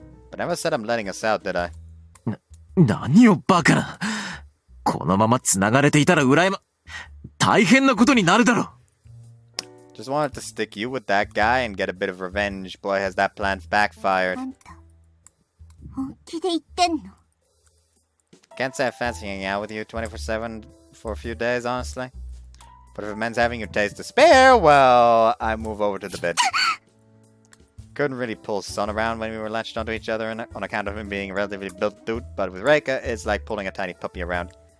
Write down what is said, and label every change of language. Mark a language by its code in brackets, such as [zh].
[en] But I never said I'm letting us out, did I? [ja] Naniobakana! このままつながれていたら羨ま大変なことになるだろ! [en] Just wanted to stick you with that guy and get a bit of revenge. Boy, has that plan backfired. [ja] あんた、本気で言ってんの? [en] Can't say I fancy hanging out with you 24/7 for a few days, honestly. But if a man's having your taste to spare, well, I move over to the bed. Couldn't really pull Sun around when we were latched onto each other on account of him being a relatively built dude, but with Reika, it's like pulling a tiny puppy around.